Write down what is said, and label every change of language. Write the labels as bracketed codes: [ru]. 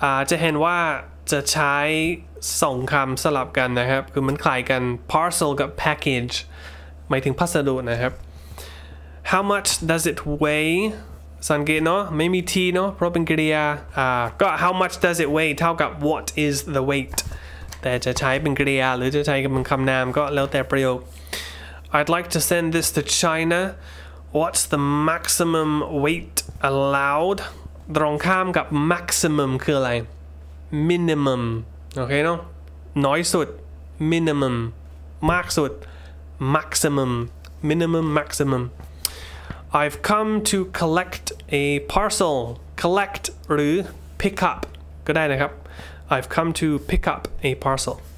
[th] จะเห็นว่าจะใช้สองคำสลับกันนะครับคือมันคล้ายกัน parcel กับ package หมายถึงพัสดุนะครับ [en] How much does it weigh? [th] สังเกตเนาะไม่มี t เนาะเพราะเป็นกริยาก็ [en] how much does it weigh [th] เท่ากับ [en] what is the weight [th] แต่จะใช้เป็นกริยาหรือจะใช้เป็นคำนามก็แล้วแต่ประโยค [en] I'd like to send this to China. What's the maximum weight allowed? [th] ตรงข้ามกับ maximum คืออะไร? Minimum. โอเคเนาะ? น้อยสุด [en] minimum [th] มากสุด [en] maximum minimum maximum I've come to collect a parcel collect [th] หรือ [en] pick up [th] ก็ได้นะครับ [en] I've come to pick up a parcel